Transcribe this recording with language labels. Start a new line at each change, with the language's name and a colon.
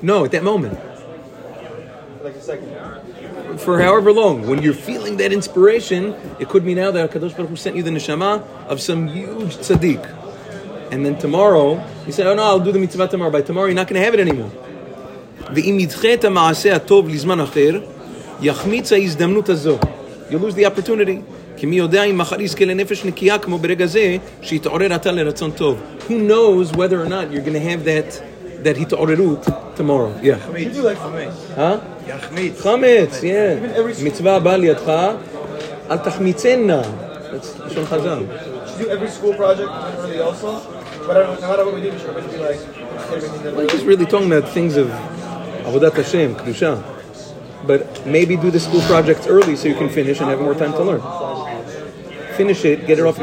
English: No, at that moment. Like a second. For however long. When you're feeling that inspiration, it could be now that HaKadosh Baruch Hu sent you the neshama of some huge tzaddik. And then tomorrow, you say, oh no, I'll do the mitzvah tomorrow. By tomorrow, you're not going to have it anymore.
Hebrew: ואם ידחה את המעשה הטוב לזמן אחר, יחמיץ ההזדמנות הזו.
English: You lose the opportunity.
Hebrew: כי מי יודע אם מחר יזכה לנפש נקייה כמו ברגע זה, שיתעורר אתה לרצון טוב.
English: Who knows whether or not you're going to have that התעוררות tomorrow. Yeah. יחמיץ. חמץ, yeah.
Hebrew: מצווה הבא לידך, אל תחמיצן נא.
English: That's
Hebrew: לשון חזר.
English: Should you do every school project really also? But I don't know what we do, should I be like... We're just really talking about things of... Avodat Hashem, Kedusha. But maybe do the school projects early so you can finish and have more time to learn. Finish it, get it off.